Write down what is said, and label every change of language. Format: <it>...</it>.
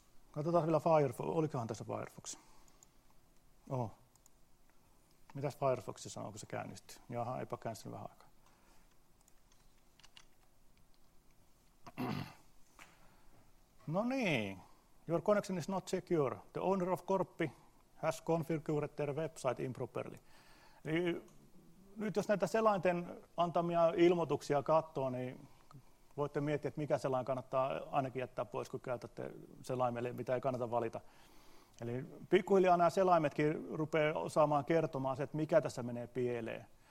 <fi>Katsotaan vielä Firefox. Olikohan tässä Firefox? Oho. Mitäs Firefox sanoo, kun se käynnistyy? Jaha, eipä käynnistynyt vähän aikaa. No niin,</fi> <en>your connection is not secure. The owner of Korppi has configured their website improperly.</en> <fi>Eli nyt jos näitä selainten antamia ilmoituksia katsoo, niin voitte miettiä, että mikä selain kannattaa ainakin jättää pois, kun käytätte selaimelle, mitä ei kannata valita. Eli pikkuhiljaa nämä selaimetkin rupeaa osaamaan kertomaan se, että mikä tässä menee pieleen.</fi>